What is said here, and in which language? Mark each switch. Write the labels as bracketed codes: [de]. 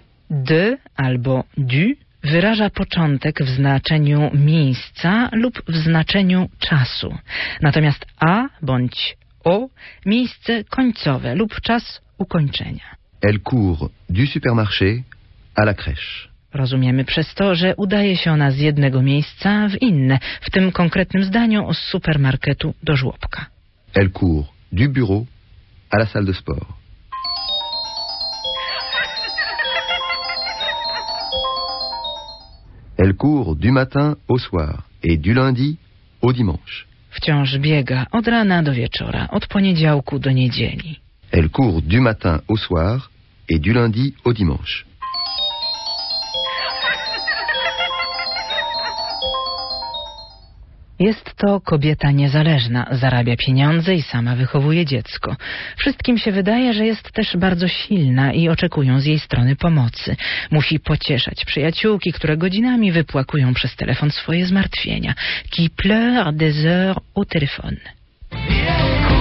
[pl] De albo du wyraża początek w znaczeniu miejsca lub w znaczeniu czasu. Natomiast a bądź o miejsce końcowe lub czas ukończenia. [fr] Elle court du supermarché à la crèche. [pl] Rozumiemy przez to, że udaje się ona z jednego miejsca w inne, w tym konkretnym zdaniu z supermarketu do żłobka. [fr] Elle court du bureau à la salle de sport. Elle court du matin au soir et du lundi au dimanche. [pl] Wciąż biega od rana do wieczora, od poniedziałku do niedzieli. [fr] Elle court du matin au soir et du lundi au dimanche. [pl] Jest to kobieta niezależna, zarabia pieniądze i sama wychowuje dziecko. Wszystkim się wydaje, że jest też bardzo silna i oczekują z jej strony pomocy. Musi pocieszać przyjaciółki, które godzinami wypłakują przez telefon swoje zmartwienia. [fr] Qui pleure des heures au téléphone.